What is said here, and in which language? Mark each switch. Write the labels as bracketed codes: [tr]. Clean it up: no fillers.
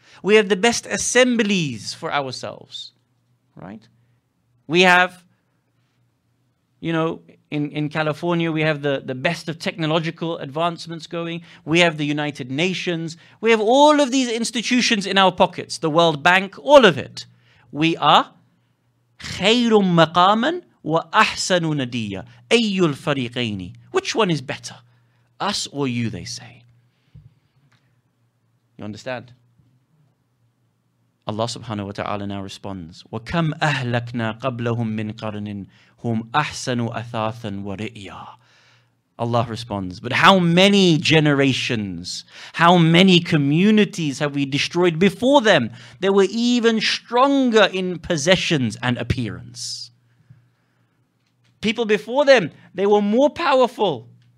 [en] We have the best assemblies for ourselves. Right? We have, you know, in California, we have the best of technological advancements going. We have the United Nations. We have all of these institutions in our pockets, the World Bank, all of it. We are [ar] خَيْرٌ مَقَامًا وَأَحْسَنُ نَدِيَّ أَيُّ الْفَرِيقَيْنِ. [en] Which one is better? Us or you, they say. You understand? Allah subhanahu wa ta'ala now responds, [ar] وَكَمْ أَهْلَكْنَا قَبْلَهُمْ مِنْ قَرْنٍ هُمْ أَحْسَنُوا أَثَاثًا وَرِئْيَا. [en] Allah responds, but how many generations, how many communities have we destroyed before them? They were even stronger in possessions and appearance. People before them, they were more powerful.